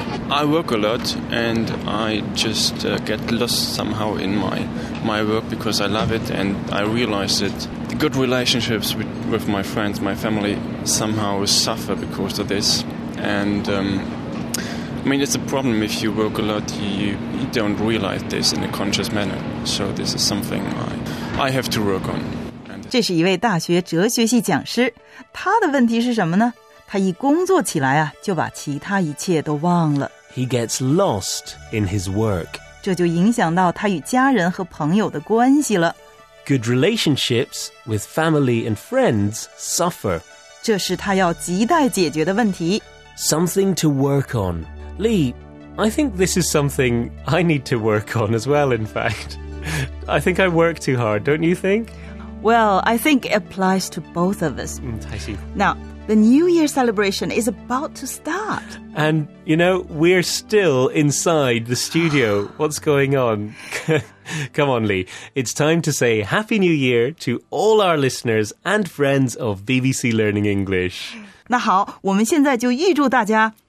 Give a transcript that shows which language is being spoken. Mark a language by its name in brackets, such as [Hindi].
[English] I work a lot and I just get lost somehow in my work because I love it and I realize that the good relationships with my friends, my family, somehow suffer because of this. And, I mean, it's a problem if you work a lot, you don't realize this in a conscious manner. So this is something I have to work on. [Chinese] 这是一位大学哲学系讲师，他的问题是什么呢？他一工作起来啊，就把其他一切都忘了。 [English] He gets lost in his work. [Chinese] 这就影响到他与家人和朋友的关系了。 [English] Good relationships with family and friends suffer. [Chinese] 这是他要亟待解决的问题。 [English] Something to work on. Lee, I think this is something I need to work on as well, in fact. I think I work too hard, don't you think? Well, I think it applies to both of us. [Chinese] 太辛苦。 [English] Now, The New Year celebration is about to start. And, you know, we're still inside the studio. What's going on? Come on, Lee. It's time to say Happy New Year to all our listeners and friends of BBC Learning English. [Chinese] 那好，我们现在就预祝大家